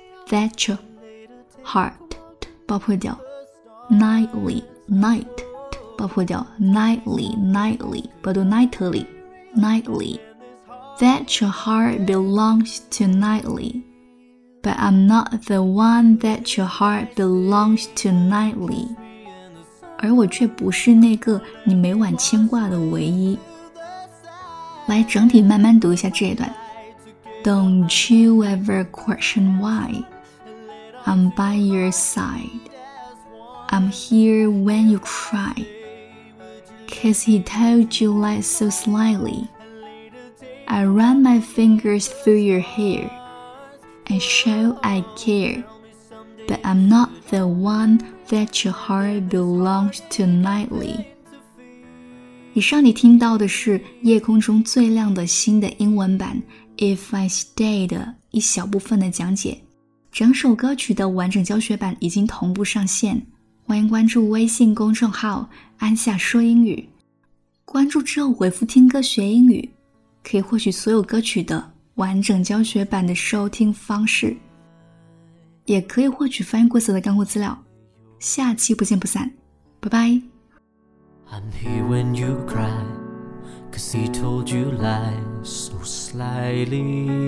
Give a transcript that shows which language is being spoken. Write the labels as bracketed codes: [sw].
[en] That your heart, 包括掉 nightly, night, 包括掉 nightly, nightly, 不读 nightly, nightly. That your heart belongs to nightly, but I'm not the one that your heart belongs to nightly. [zh] 而我却不是那个你每晚牵挂的唯一。来，整体慢慢读一下这一段。 [en] Don't you ever question why? I'm by your side. I'm here when you cry. Cause he told you lies so slyly. I run my fingers through your hair and show I care. But I'm not the one that your heart belongs to nightly. 以 [zh] 以上你听到的是夜空中最亮的星的英文版 If I Stay 的一小部分的讲解。整首歌曲的完整教学版已经同步上线，欢迎关注微信公众号安夏说英语，关注之后回复听歌学英语，可以获取所有歌曲的完整教学版的收听方式，也可以获取翻译规则的干货资料。下期不见不散，拜拜。 [en] I'm here when you cry, 'cause he told you lies so slyly.